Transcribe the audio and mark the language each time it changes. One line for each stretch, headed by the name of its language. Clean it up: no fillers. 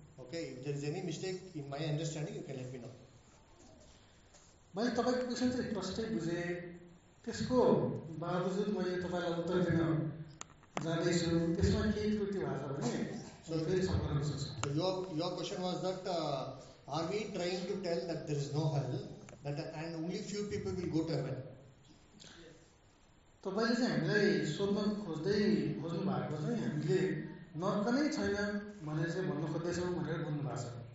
English: Okay, if there is any mistake in my understanding, you can let me know.
Nepali: मैले तपाईँको question चाहिँ प्रष्टै बुझेँ. त्यसको बावजुद मैले तपाईँलाई उत्तर दिन जाँदैछु. त्यसमा केही त्रुटि भएको छ भने
English: your question was that are we trying to tell that there is no hell, that and only few people will go to heaven?
Nepali: तपाईँले चाहिँ हामीलाई सोध्न खोज्दै खोज्नु भएको छ नि, हामीले नर्क नै छैन भनेर चाहिँ भन्नु खोज्दैछौँ भनेर भन्नु भएको छ.